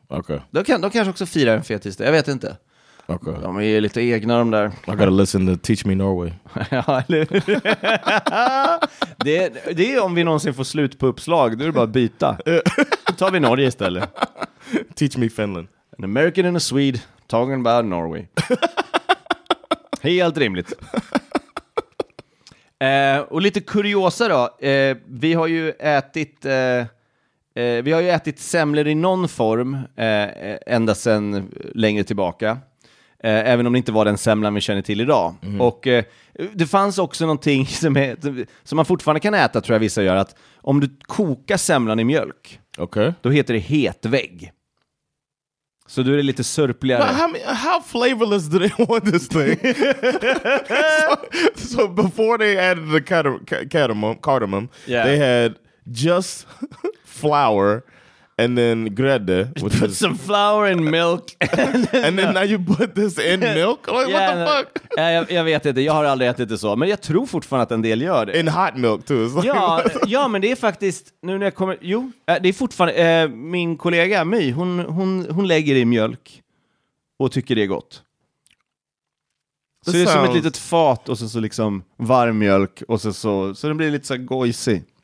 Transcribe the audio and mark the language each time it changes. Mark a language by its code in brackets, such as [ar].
[en] Okay. [sv] De kanske också firar en Fet tisdag, jag vet inte. [en] Okay. [sv] De är ju lite egna de där. [en] I gotta listen to Teach Me Norway. [sv] det är om vi någonsin får slut på uppslag. Då är det bara att byta. Då tar vi Norge istället. [en] Teach Me Finland. An American and a Swede talking about Norway. [sv] Helt rimligt. Och lite kuriosa då. Vi har ju ätit semler i någon form ända sedan längre tillbaka. Även om det inte var den semlan vi känner till idag. Mm. Och det fanns också någonting som man fortfarande kan äta, tror jag vissa gör. Att om du kokar semlan i mjölk, [en] okay, [sv] då heter det hetvägg. Så du är lite sörpligare. [en] How flavorless do they want this thing? So before they added the cardamom, yeah, they had just flour and then grädde. Put some flour in milk. and then now you put this in milk? Like, yeah, what the fuck? [sv] jag vet inte, jag har aldrig ätit det så. Men jag tror fortfarande att en del gör det. [en] In hot milk too. [sv] Like, ja, ja, men det är faktiskt, nu när jag kommer, jo, det är fortfarande, min kollega My, hon lägger i mjölk och tycker det är gott. Så det är som ett litet fat och så liksom varm mjölk och så den blir lite så gojsig.